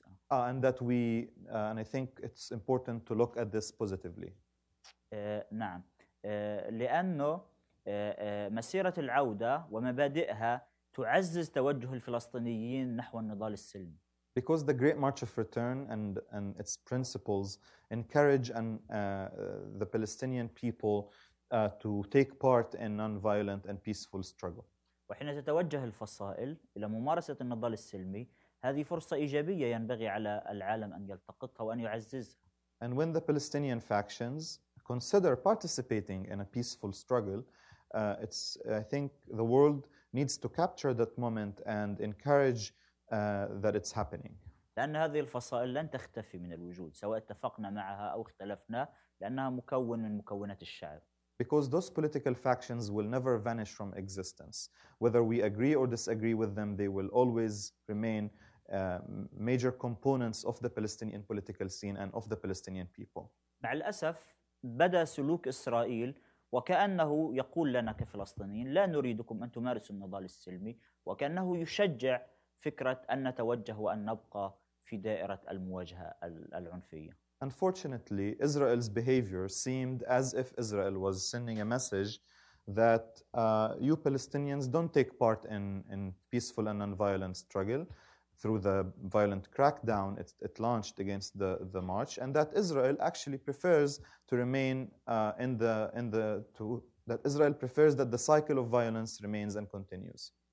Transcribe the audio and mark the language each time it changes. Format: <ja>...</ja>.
<en>And that we and I think it's important to look at this positively.</en> <ar>نعم. لأنه مسيرة العودة ومبادئها تعزز توجه الفلسطينيين نحو النضال السلمي.</ar> <en>Because the Great March of Return and its principles encourage the Palestinian people to take part in non-violent and peaceful struggle.</en> <ar>وحين تتوجه الفصائل إلى ممارسة النضال السلمي، هذه فرصة إيجابية ينبغي على العالم أن يلتقطها وأن يعززها.</ar> <en>And when the Palestinian factions consider participating in a peaceful struggle, I think the world needs to capture that moment and encourage that it's happening.</en> <ar>لأن هذه الفصائل لن تختفي من الوجود، سواء اتفقنا معها أو اختلفنا، لأنها مكون من مكونات الشعب.</ar> <en>Because those political factions will never vanish from existence. Whether we agree or disagree with them, they will always remain major components of the Palestinian political scene and of the Palestinian people.</en> <ar>مع الأسف بدا سلوك إسرائيل وكأنه يقول لنا كفلسطينيين لا نريدكم أن تمارسوا النضال السلمي وكأنه يشجع فكرة أن نتوجه وأن نبقى في دائرة المواجهة العنفية.</ar> <en>Unfortunately, Israel's behavior seemed as if Israel was sending a message that you Palestinians don't take part in peaceful and nonviolent struggle through the violent crackdown it launched against the march, and that Israel actually prefers to remain that Israel prefers that the cycle of violence remains and continues.</en>